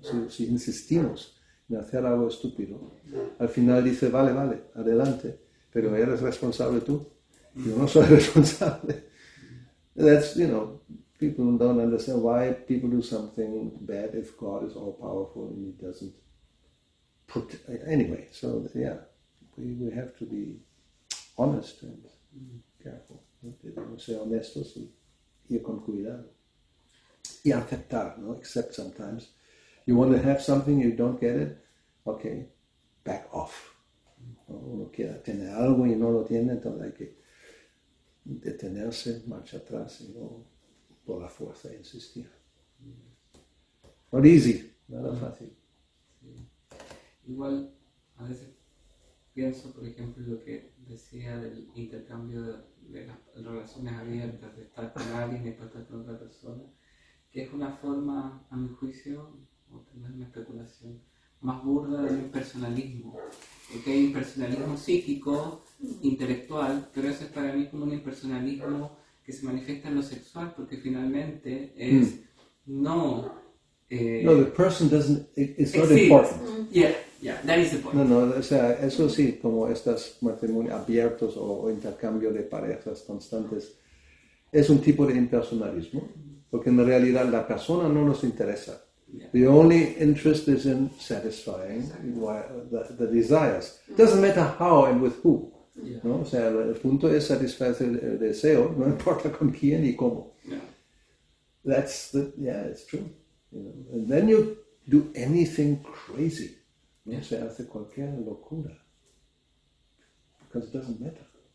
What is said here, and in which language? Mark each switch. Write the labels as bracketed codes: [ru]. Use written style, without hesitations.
[es] Si insistimos en hacer algo estúpido, al final dice, vale, vale, adelante, pero eres responsable tú. Yo no soy responsable. [en] That's, you know, people don't understand why people do something bad if God is all-powerful and he doesn't put... Anyway, so, yeah, we have to be honest and careful. [es] Debemos ser honestos y con cuidado. Y aceptar, no? [en] Except sometimes. You want to have something, you don't get it, okay, back off. ¿No? [es] Uno quiere tener algo y no lo tiene, entonces hay que detenerse, marcha atrás, y no por la fuerza insistir. [en] Not easy, [es] nada fácil. Sí. Igual, a veces pienso, por ejemplo, lo que decía del intercambio de las relaciones abiertas, de estar con alguien y estar con otra persona, que es una forma, a mi juicio, o tal vez una especulación, más burda del impersonalismo. Porque hay impersonalismo psíquico, intelectual, pero eso es para mí como un impersonalismo que se manifiesta en lo sexual, porque finalmente es no... [en] No, the person doesn't... It's not important. Yeah, that is the point. [es] No, o sea, eso sí, como estos matrimonios abiertos o intercambio de parejas constantes, es un tipo de impersonalismo. Porque en realidad la persona no nos interesa. Yeah. [en] The only interest is in satisfying the desires. It doesn't matter how and with who. Yeah. ¿No? [es] O sea, el punto es satisfacer el deseo, no importa con quién y cómo. Yeah. [en] That's the, yeah, it's true. You know? And then you do anything crazy. ¿No? Yeah. [es] O sea, hace cualquier locura. [en] Because it doesn't matter.